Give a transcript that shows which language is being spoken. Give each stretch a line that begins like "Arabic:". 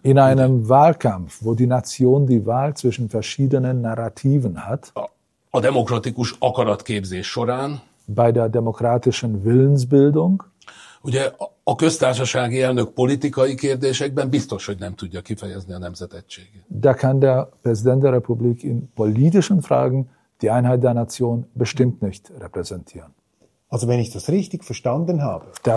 German: In einem Wahlkampf, wo die Nation die Wahl zwischen verschiedenen Narrativen hat,
Hungarian: a demokratikus akaratképzés során,
German: bei der demokratischen Willensbildung,
Hungarian: ugye a köztársasági elnök politikai kérdésekben biztos, hogy nem tudja kifejezni a nemzetegységet.
German: Da kann der Präsident der Republik in politischen Fragen die Einheit der Nation bestimmt nicht repräsentieren. Also wenn ich das richtig verstanden habe,